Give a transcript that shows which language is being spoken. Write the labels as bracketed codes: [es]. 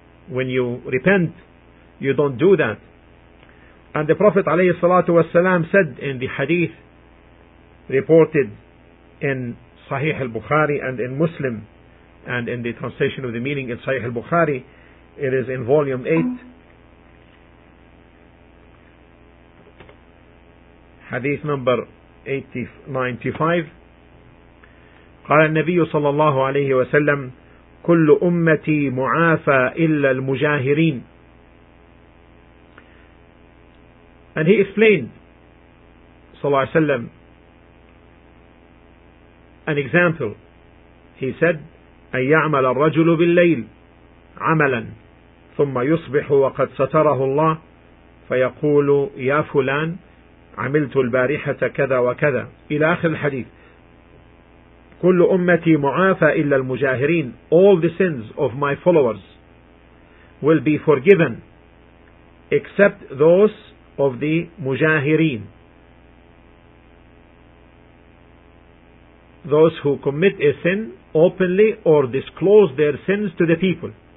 [en] When you repent, you don't do that. And the Prophet [ar] عليه الصلاة والسلام [en] said in the hadith reported in Sahih al-Bukhari and in Muslim, and in the translation of the meaning in Sahih al-Bukhari, it is in volume 8, hadith number 95. [ar] قال النبي صلى الله عليه وسلم كل أمتي معافى إلا المجاهرين. [en] And he explained, [ar] صلى الله عليه وسلم, [en] an example. He said, [ar] أن يعمل الرجل بالليل عملا ثم يصبح وقد ستره الله فيقول يا فلان عملت البارحة كذا وكذا, إلى آخر الحديث. كل أمتي معافى إلا المجاهرين. [en] All the sins of my followers will be forgiven except those of the mujahireen, those who commit a sin openly or disclose their sins to the people.